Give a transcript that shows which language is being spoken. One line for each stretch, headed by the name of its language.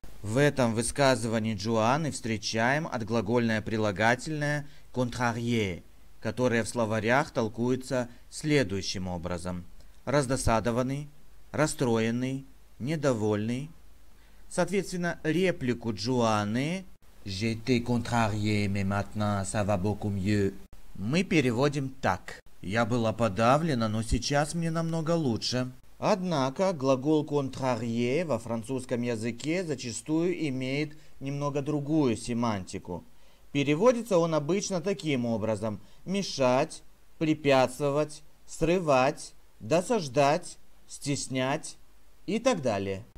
Russian: В этом высказывании Джоанны встречаем отглагольное прилагательное «contrarié», которое в словарях толкуется следующим образом: раздосадованный, расстроенный, недовольный. Соответственно, реплику Джоанны
French: «J'étais contrarié, mais maintenant ça va beaucoup mieux»
Russian: мы переводим так. «Я была подавлена, но сейчас мне намного лучше». Однако глагол «contrarié» во французском языке зачастую имеет немного другую семантику. Переводится он обычно таким образом: «мешать», «препятствовать», «срывать», «досаждать», «стеснять» и так далее.